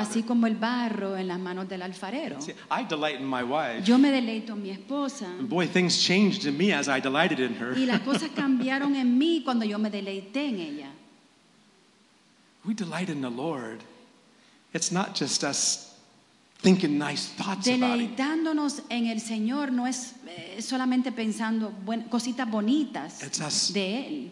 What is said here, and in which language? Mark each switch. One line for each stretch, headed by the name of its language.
Spanish: así como el barro en las manos del alfarero.
English: See, I delight in my wife.
Spanish: Yo me deleito en mi esposa.
English: And boy, things changed in me as I delighted in her.
Spanish: Y las cosas cambiaron en mí cuando yo me deleité en ella.
English: We delight in the Lord. It's not just us thinking nice thoughts about Him.
Spanish: Deleitándonos en el Señor no es solamente pensando cositas bonitas de Él.